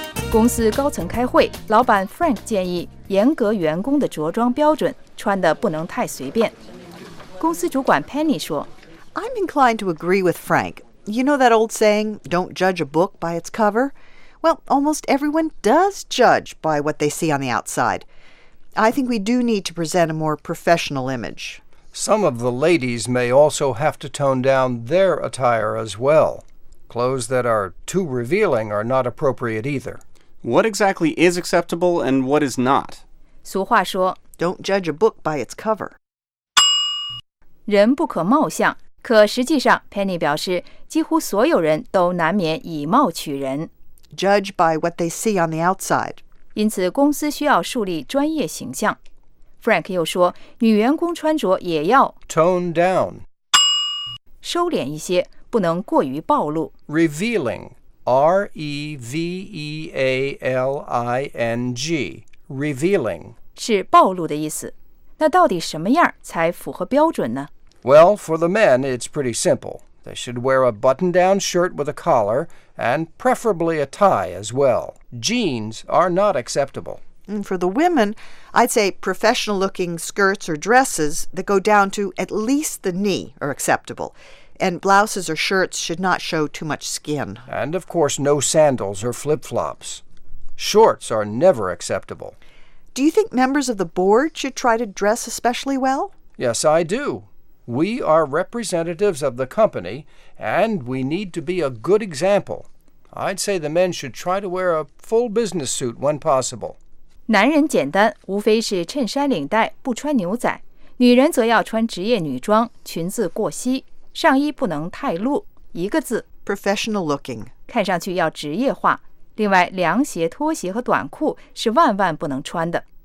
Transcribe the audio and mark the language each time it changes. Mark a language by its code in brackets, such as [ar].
[zh] 公司高层开会，老板 Frank 建议严格员工的着装标准，穿得不能太随便。公司主管 Penny 说 [en] I'm inclined to agree with Frank. You know that old saying, don't judge a book by its cover? Well, almost everyone does judge by what they see on the outside. I think we do need to present a more professional image. Some of the ladies may also have to tone down their attire as well. Clothes that are too revealing are not appropriate either. What exactly is acceptable and what is not? [zh] 俗话说, [en] Don't judge a book by its cover. [zh] 人不可貌相,可实际上 Penny 表示几乎所有人都难免以貌取人。 [en] Judge by what they see on the outside. [zh] 因此公司需要树立专业形象。 Frank 又说，女员工穿着也要 [en] tone down， [zh] 收敛一些，不能过于暴露。 [en] Revealing， R-E-V-E-A-L-I-N-G， revealing [zh] 是暴露的意思。那到底什么样才符合标准呢 [en] ？Well, for the men, it's pretty simple. They should wear a button-down shirt with a collar and preferably a tie as well. Jeans are not acceptable. And for the women, I'd say professional-looking skirts or dresses that go down to at least the knee are acceptable. And blouses or shirts should not show too much skin. And of course, no sandals or flip-flops. Shorts are never acceptable. Do you think members of the board should try to dress especially well? Yes, I do. We are representatives of the company, and we need to be a good example. I'd say the men should try to wear a full business suit when possible. [zh] 男人简单，无非是衬衫领带，不穿牛仔。女人则要穿职业女装，裙子过膝，上衣不能太露。一个字 [en] ，professional looking， [zh] 看上去要职业化。另外，凉鞋、拖鞋和短裤是万万不能穿的。